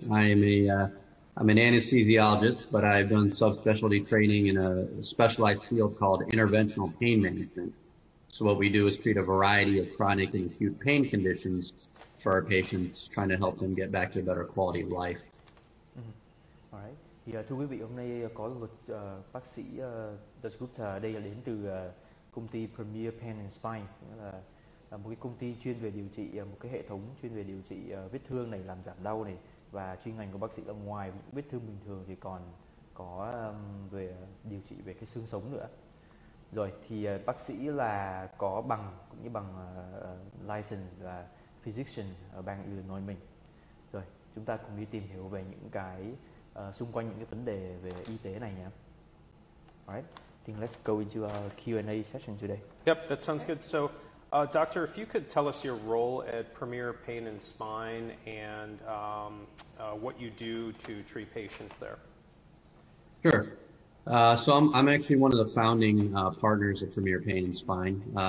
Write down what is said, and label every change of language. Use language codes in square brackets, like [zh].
[en] I'm an anesthesiologist, but I've done subspecialty training in a specialized field called interventional pain management. So what we do is treat a variety of chronic and acute pain conditions for our patients, trying to help them get back to a better quality of life. Mm-hmm. All right. [vi] Yeah, thưa quý vị, hôm nay có một bác sĩ Dasgupta đây đến từ công ty Premier Pain and Spine, là một cái công ty chuyên về điều trị một cái hệ thống chuyên về điều trị vết thương này, làm giảm đau này, và chuyên ngành của bác sĩ là ngoài vết thương bình thường thì còn có về điều trị về cái xương sống nữa. Rồi thì bác sĩ là có bằng cũng như bằng license là physician ở bang Illinois mình. Rồi chúng ta cùng đi tìm hiểu về những cái xung quanh những cái vấn đề về y tế này nhé. [en] Alright, I think let's go into our Q&A session today. Yep, that sounds good. So, doctor, if you could tell us your role at Premier Pain and Spine and what you do to treat patients there. Sure. So I'm actually one of the founding partners of Premier Pain and Spine.